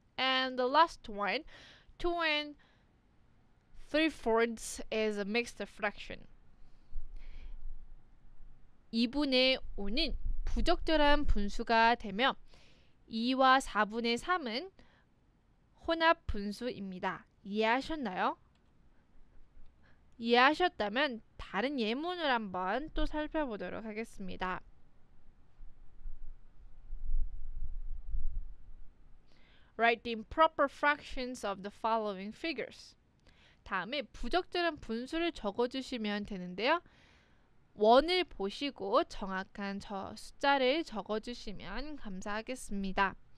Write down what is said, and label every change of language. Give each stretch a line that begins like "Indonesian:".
English: And the last one, 2 and 3/4 is a mixed fraction.
Korean: 2분의 5는 부적절한 분수가 되며 2와 4분의 3은 혼합 분수입니다. 이해하셨나요? 이해하셨다면 다른 예문을 한번 또 살펴보도록 하겠습니다.
English: Write the improper fractions of the following figures.
Korean: 다음에 부적절한 분수를 적어주시면 되는데요. 원을 보시고 정확한 저 숫자를 적어주시면 감사하겠습니다.